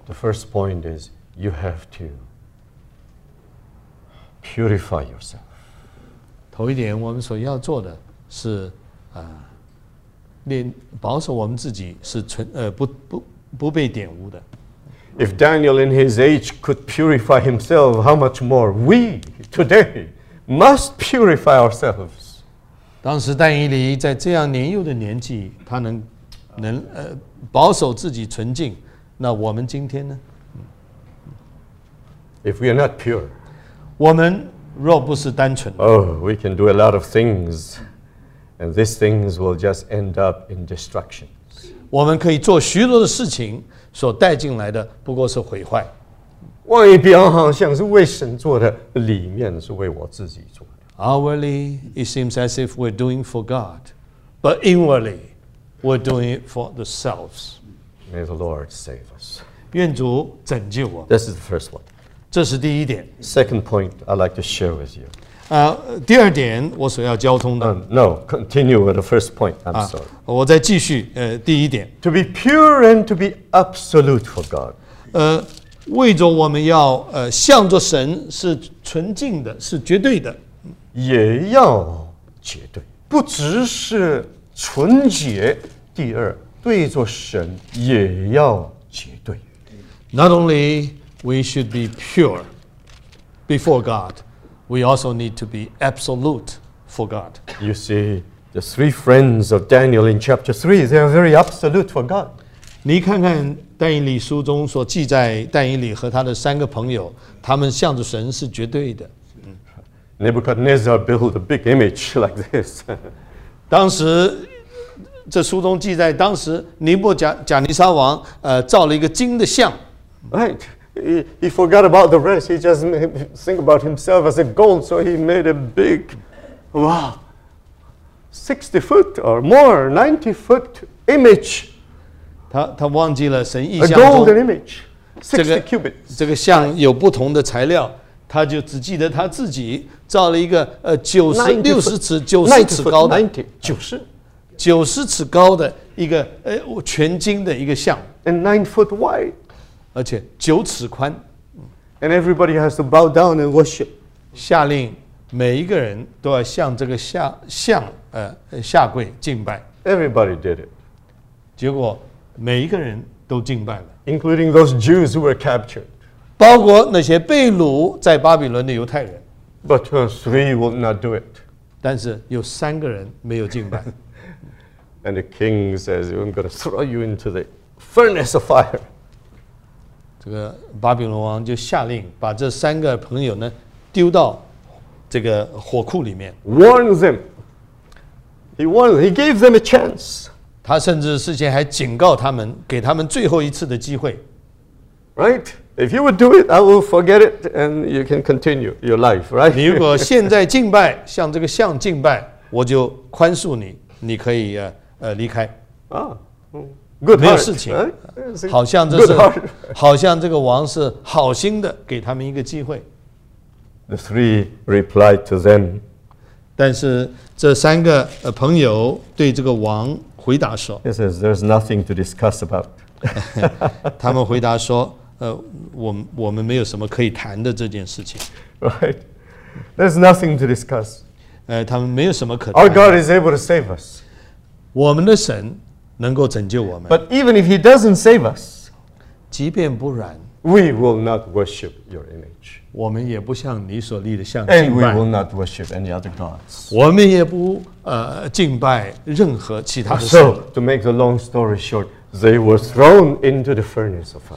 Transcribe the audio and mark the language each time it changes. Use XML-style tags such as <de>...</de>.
<en>The first point is you have to purify yourself.</en> <zh>头一点我们所要做的是保守我们自己是不被玷污的。</zh> <en>If Daniel in his age could purify himself, how much more we today must purify ourselves?</en> <zh>当时但以理在这样年幼的年纪，他能保守自己纯净，那我们今天呢？</zh> <en>If we are not pure,</en> <zh>我们若不是单纯，</zh> <en>oh, we can do a lot of things, and these things will just end up in destruction.</en> <zh>我们可以做许多的事情，所带进来的不过是毁坏。外表好像是为神做的，里面是为我自己做的。</zh> <en>Outwardly, it seems as if we're doing for God, but inwardly, we're doing it for ourselves. May the Lord save us.</en> <zh>愿主拯救我。</zh> <en>This is the first one.</en> <zh>这是第一点。</zh> <en>Second point I'd like to share with you.</en> <zh>第二点我所要交通的。</zh> <en>No, continue with the first point. I'm sorry.</en> <zh>我再继续第一点。</zh> <en>To be pure and to be absolute for God.</en> <zh>为着我们要向着神是纯净的，是绝对的。也要绝对，不只是纯洁。第二，对着神也要绝对。</zh> <en>Not only we should be pure before God. We also need to be absolute for God. You see, the three friends of Daniel in chapter 3, they are very absolute for God.</en> <zh>你看看但以理书中所记载但以理和他的三个朋友，他们向着神是绝对的。</zh> <en>Nebuchadnezzar built a big image like this.</en> <zh>当时，这书中记载，当时尼布甲尼撒王造了一个金的像。</zh> <en>Right. He forgot about the rest. He just think about himself as a gold. So he made a big, wow, 60 foot or more, 90 foot image.</en> <zh>他忘记了神意象中</zh> <en>A golden image, 60 cubits.</en> <zh>这个像有不同的材料，他就只记得他自己造了一个90尺高的一个全金的一个像</zh> <en>And 9 foot wide.</en> <zh>而且九尺宽</zh> <en>，and everybody has to bow down and worship.</en> <zh>下令每一个人都要向这个像下跪敬拜。</zh> <en>Everybody did it.</en> <zh>结果每一个人都敬拜了</zh> <en>，including those Jews who were captured.</en> <zh>包括那些被掳在巴比伦的犹太人。</zh> <en>But three will not do it.</en> <zh>但是有三个人没有敬拜。</zh> <en>And the king says, "I'm going to throw you into the furnace of fire."</en> <zh>这个巴比伦王就下令把这三个朋友呢丢到这个火库里面。</zh> <en>Warn them. He warned them. He gave them a chance.</en> <zh>他甚至事先还警告他们，给他们最后一次的机会。</zh> <en>Right? If you would do it, I will forget it, and you can continue your life. Right?</en> <zh>你如果现在敬拜，向这个像敬拜，我就宽恕你，你可以离开。</zh> <en>Good heart,</en> <zh>没有事情、</zh> <en>right?</en> <zh>好像这是</zh> <en>Good heart.</en> <zh>好像这个王是好心的给他们一个机会</zh> <en>The three replied to them</en> <zh>但是这三个朋友对这个王回答说</zh> <en>He says there's nothing to discuss about</en> <zh>他们回答说我们没有什么可以谈的这件事情</zh> <en>Right There's nothing to discuss</en> <zh>他们没有什么可谈</zh> <en>Our God is able to save us</en> <zh>我们的神能够拯救我们。</zh> <en>But even if he doesn't save us,</en> <zh>即便不然</zh> <en>we will not worship your image.</en> <zh>我们也不向你所立的像敬拜。</zh> <en>And we will not worship any other gods.</en> <zh>我们也不敬拜任何其他的神。 So, to make the long story short, they were thrown into the furnace of fire.</zh>